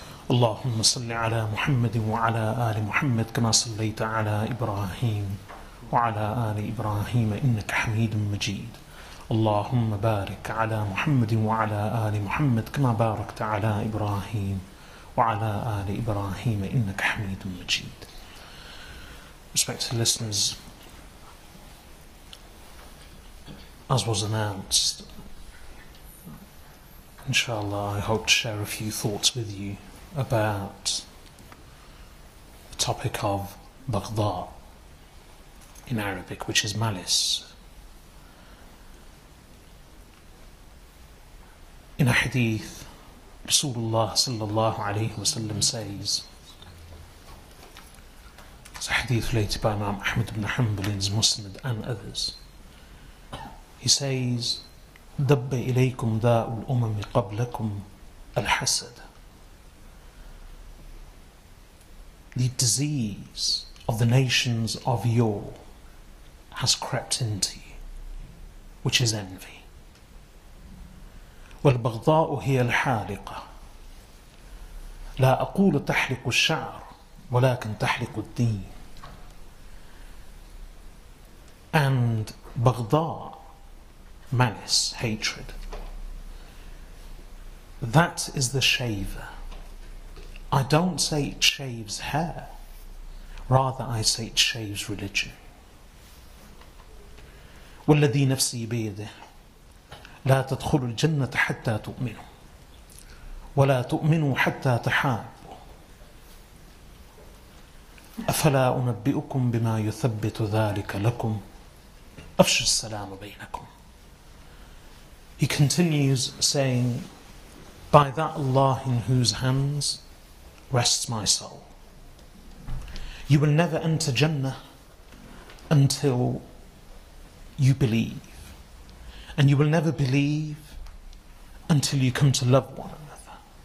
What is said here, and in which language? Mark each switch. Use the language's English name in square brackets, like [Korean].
[Arabic] اللهم صل على محمد وعلى آل محمد كما صليت على إبراهيم وعلى آل إبراهيم إنك حميد مجيد. اللهم بارك على محمد وعلى آل محمد كما باركت على إبراهيم وعلى آل إبراهيم إنك حميد مجيد. [English] Respected listeners, as was announced, inshallah, I hope to share a few thoughts with you about the topic of baghdha in Arabic, which is malice. In a hadith, Rasulullah sallallahu alayhi wa sallam says, it's a hadith related by Imam Ahmad ibn Hanbal in his Musnad and others, he says, [Arabic] dabba ilaykum da'ul umami qablakum al-hasad. [English] The disease of the nations of yore has crept into you, which is envy. [Arabic] والبغضاء هي الحالقة لا أقول تحلق الشعر ولكن تحلق الدين. [English] And بغضاء, malice, hatred, that is the shaver. I don't say it shaves hair, rather I say it shaves religion. [Arabic] والذي نفسي بيده لا تدخل الجنة حتى تؤمنوا ولا تؤمنوا حتى تحابوا أفلا أنبئكم بما يثبت ذلك لكم أفشوا السلام بينكم. [English] He continues saying, by that Allah in whose hands rests my soul, you will never enter Jannah until you believe, and you will never believe until you come to love one another.